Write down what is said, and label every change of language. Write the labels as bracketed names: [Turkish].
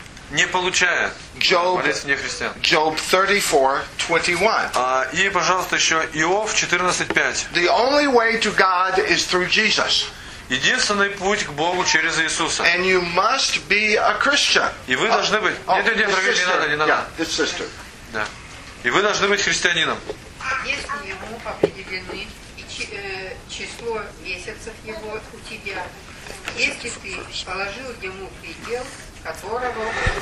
[Russian] Не получает молитв нехристиан. [English] Job 34:21. [Russian] И, пожалуйста, еще Иов 14:5. [English] The only way to God is through Jesus. [Russian] Единственный путь к Богу через Иисуса. [English] And you must be a Christian. [Russian] И вы должны быть. Нет, дорогие, [English] sister. [Russian] Не надо. [English] Yeah, this sister. [Russian] Да. И вы должны быть христианином. Если ему определены число месяцев его у тебя, если ты положил ему предел, которого